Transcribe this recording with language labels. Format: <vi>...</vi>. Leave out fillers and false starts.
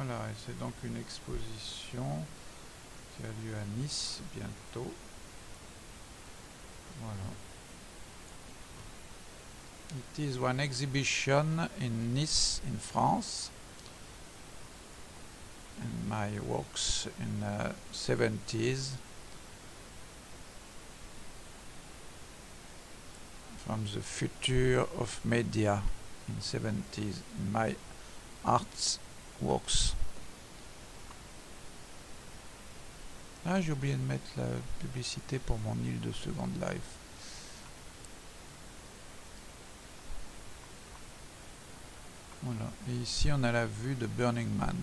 <fr>Et c'est donc une exposition qui a lieu à Nice bientôt. Voilà.</fr> <en>It is one exhibition in Nice, in France. And my works in the 70s. From the future of media in 70s, in my arts works.</en> <fr>Ah, j'ai oublié de mettre la publicité pour mon île de Second Life. Voilà. Et ici, on a la vue de Burning Man.</fr>